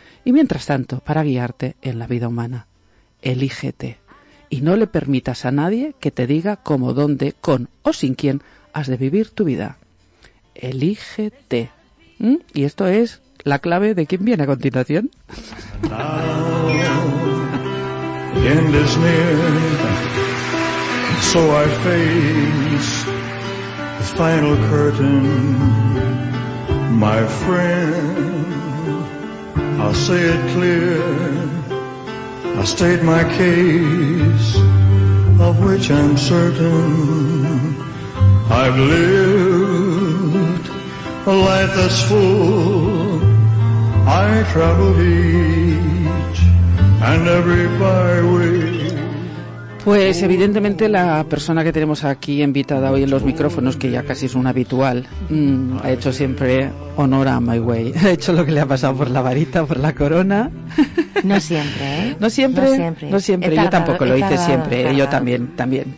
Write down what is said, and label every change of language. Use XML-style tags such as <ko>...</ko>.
<es>Y mientras tanto, para guiarte en la vida humana, elígete. Y no le permitas a nadie que te diga cómo, dónde, con o sin quién has de vivir tu vida. Elígete. ¿Mm? Y esto es la clave de quién viene a continuación.</es> <en>Now, the end is near, so I face the final curtain, my friend. I'll say it clear, I'll state my case, of which I'm certain. I've lived a life that's full, I traveled each and every byway.</en> <es>Pues evidentemente la persona que tenemos aquí invitada hoy en los micrófonos, que ya casi es un habitual, ha hecho siempre honor a My Way. Ha hecho lo que le ha pasado por la varita, por la corona. No siempre, ¿eh? No siempre, no siempre. No siempre. Tardado, yo tampoco lo hice siempre, yo también, también.</es>